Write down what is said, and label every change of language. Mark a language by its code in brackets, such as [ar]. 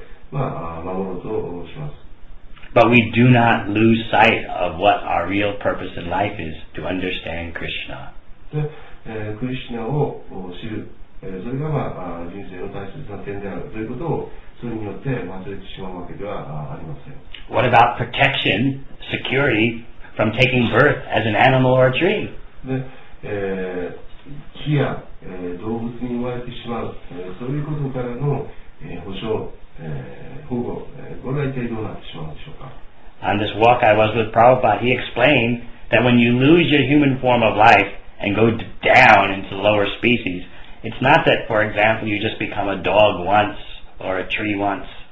[en] But we do not lose sight of what our real purpose in life is, to understand Krishna. [ja] Krishna を知る。それが、まあ、人生の大切な点であるということをそれによって忘れてしまうわけではありません。 [en] What about protection, security from taking birth as an animal or a tree? [ja] で、木や、動物に生まれてしまう、そういうことからの、保障、保護、これは一体どうなってしまうんでしょうか。 [en] On this walk I was with Prabhupada, he explained that when you lose your human form of life and go down into the lower speciesIt's not that, for example, you just become a dog once or a tree once.